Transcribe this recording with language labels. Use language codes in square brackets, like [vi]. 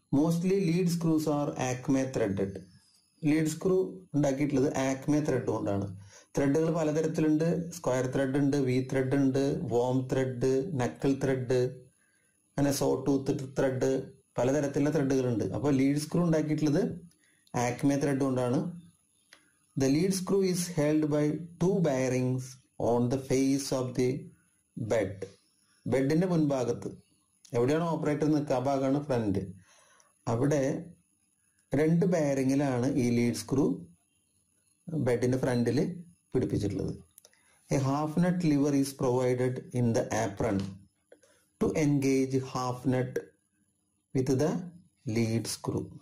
[en] Mostly lead screws are acme threaded. [ml] Lead screw ഉണ്ടാക്കിയിട്ടുള്ളത് ആക്മേ thread കൊണ്ടാണ്. ത്രെഡുകൾ പലതരത്തിലുണ്ട്. സ്ക്വയർ ത്രെഡ് ഉണ്ട്, വി ത്രെഡ് ഉണ്ട്, വോം ത്രെഡ്, നക്കിൾ ത്രെഡ്, അങ്ങനെ സോ ടൂത്ത് ത്രെഡ്, പലതരത്തിലുള്ള ത്രെഡുകളുണ്ട്. അപ്പോൾ ലീഡ് സ്ക്രൂ ഉണ്ടാക്കിയിട്ടുള്ളത് ആക്മേ ത്രെഡ് കൊണ്ടാണ്. [en] The lead screw is held by two bearings on the face of the bed. [ml] ബെഡിൻ്റെ മുൻഭാഗത്ത് എവിടെയാണ് ഓപ്പറേറ്റർ നിൽക്കുക, ആ ഭാഗമാണ് ഫ്രണ്ട്. അവിടെ രണ്ട് ബെയറിങ്ങിലാണ് ഈ ലീഡ് സ്ക്രൂ ബെഡിൻ്റെ ഫ്രണ്ടിൽ പിടിപ്പിച്ചിട്ടുള്ളത്. [en] A half nut lever is provided in the apron to engage half nut with the lead screw.